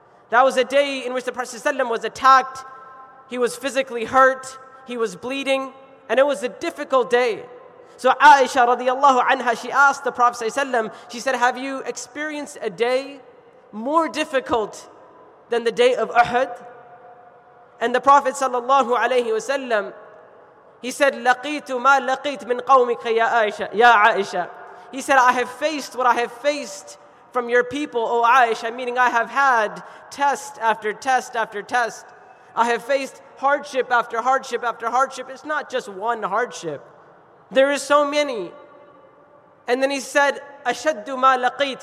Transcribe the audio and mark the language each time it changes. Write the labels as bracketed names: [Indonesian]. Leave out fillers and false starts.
[English] That was a day in which the Prophet ﷺ was attacked, he was physically hurt, he was bleeding, and it was a difficult day. So Aisha radiallahu anha, she asked the Prophet ﷺ, she said, have you experienced a day more difficult than the day of Uhud? And the Prophet ﷺ, he said, [Arabic] لَقِيتُ مَا لَقِيتُ مِنْ قَوْمِكَ يَا Aisha, يَا Aisha. [English] He said, I have faced what I have faced from your people, O Aisha, meaning I have had test after test after test. I have faced hardship after hardship after hardship. It's not just one hardship. There is so many. And then he said, [Arabic] أَشَدُّ مَا لَقِيتُ.